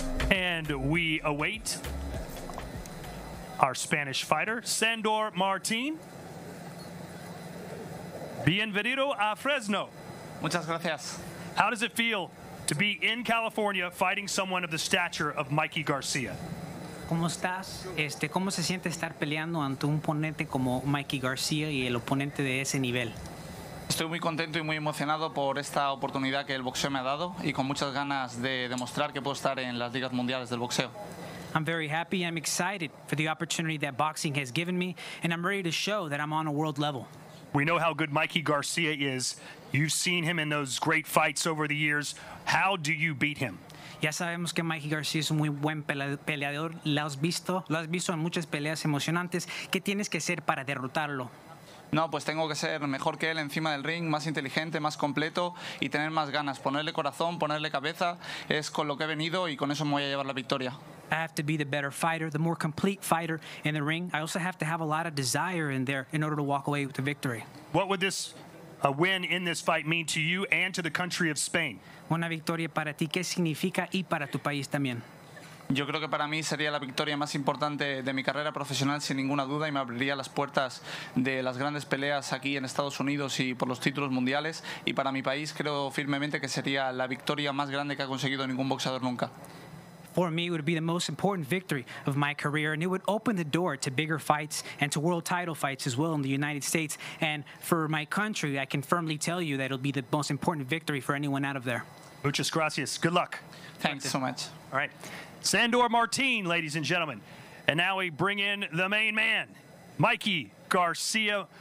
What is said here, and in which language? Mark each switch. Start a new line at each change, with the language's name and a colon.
English: And we await our Spanish fighter, Sandor Martin.
Spanish: Bienvenido a Fresno. Muchas gracias.
English: How does it feel to be in California fighting someone of the stature of Mikey García?
Spanish: ¿Cómo estás? ¿Cómo se siente estar peleando ante un oponente como Mikey García y el oponente de ese nivel? Estoy muy contento y muy emocionado por esta oportunidad que el boxeo me ha dado y con muchas ganas de demostrar que puedo estar en las ligas mundiales del boxeo.
English: I'm very happy, I'm excited for the opportunity that boxing has given me and I'm ready to show that I'm on a world level. We know how good Mikey García is. You've seen him in those great fights over the years. How do you beat him?
Spanish: Ya sabemos que Mikey García es un muy buen peleador. Lo has visto en muchas peleas emocionantes. ¿Qué tienes que hacer para derrotarlo? No, pues tengo que ser mejor que él encima del ring, más inteligente, más completo y tener más ganas. Ponerle corazón, ponerle cabeza, es con lo que he venido y con eso me voy a llevar la victoria.
English: I have to be the better fighter, the more complete fighter in the ring. I also have to have a lot of desire in there in order to walk away with the victory. What would this win in this fight mean to you and to the country of Spain?
Spanish: Una victoria para ti, ¿qué significa? Y para tu país también. Yo creo que para mí sería la victoria más importante de mi carrera profesional, sin ninguna duda, y me abriría las puertas de las grandes peleas aquí en Estados Unidos y por los títulos mundiales. Y para mi país creo firmemente que sería la victoria más grande que ha conseguido ningún boxeador nunca.
English: For me, it would be the most important victory of my career, and it would open the door to bigger fights and to world title fights as well in the United States. And for my country, I can firmly tell you that it'll be the most important victory for anyone out of there.
Spanish: Muchas gracias.
English: Good luck. Thanks so much. All right. Sandor Martin, ladies and gentlemen. And now we bring in the main man, Mikey García.